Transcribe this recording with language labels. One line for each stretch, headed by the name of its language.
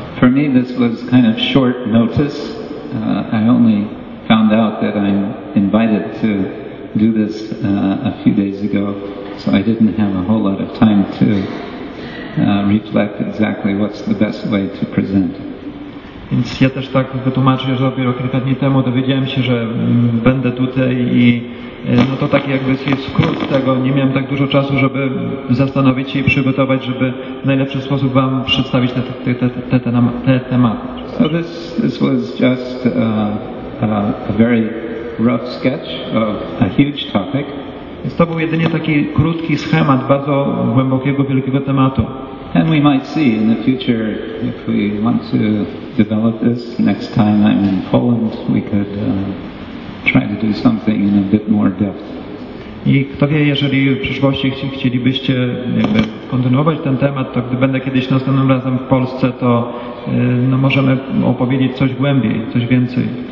English: For me this was kind of short notice. I only found out that I'm invited to do this a few days ago, so I didn't have a whole lot of time to reflect exactly what's the best way to present.
Polish: Więc ja też tak wytłumaczę, że dopiero kilka dni temu dowiedziałem się, że będę tutaj i no to taki jakby jest skrót tego. Nie miałem tak dużo czasu, żeby zastanowić się i przygotować, żeby w najlepszy sposób Wam przedstawić te tematy.
English: So this was just a very rough sketch of a huge topic.
Polish: Więc to był jedynie taki krótki schemat bardzo głębokiego, wielkiego tematu.
English: And we might see in the future, if we want to develop this, next time I'm in Poland, we could try to do something in a bit more depth.
Polish: I kto wie, jeżeli w przyszłości chcielibyście jakby kontynuować ten temat, to gdy będę kiedyś następnym razem w Polsce, to możemy opowiedzieć coś głębiej, coś więcej.